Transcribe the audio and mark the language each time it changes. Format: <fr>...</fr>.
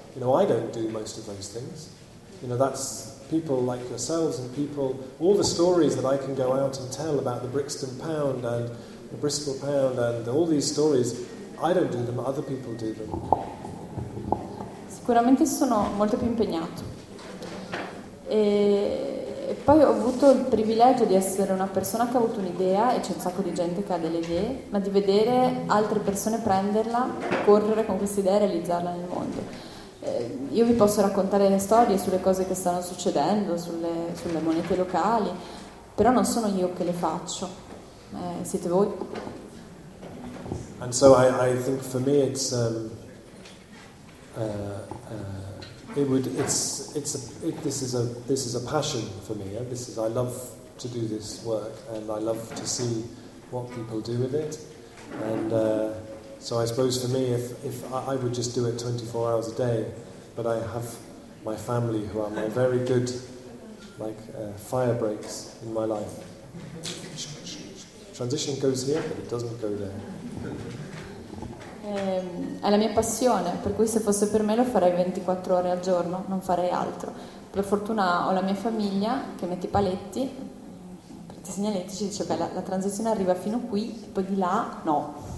<en>I don't do most of those things. That's people like yourselves and people, all the stories that I can go out and tell about the Brixton Pound and the Bristol Pound and all these stories, I don't do them, other people do them.</en> <it>Sicuramente sono molto più impegnato. E poi ho avuto il privilegio di essere una persona che ha avuto un'idea, e c'è un sacco di gente che ha delle idee, ma di vedere altre persone prenderla, correre con questa idea e realizzarla nel mondo. Io vi posso raccontare le storie sulle cose che stanno succedendo, sulle monete locali, però non sono io che le faccio, siete voi.</it> <en>And so I think for me it's this is a passion for me. This is, I love to do this work and I love to see what people do with it. And so I suppose for me if I would just do it 24 hours a day, but I have my family who are my very good fire breaks in my life. Transition goes here, but it doesn't go there.</en> <it>È la mia passione, per cui se fosse per me lo farei 24 ore al giorno, non farei altro. Per fortuna ho la mia famiglia che mette i paletti, prende i segnaletti, dice che la transizione arriva fino qui e poi di là no.</it>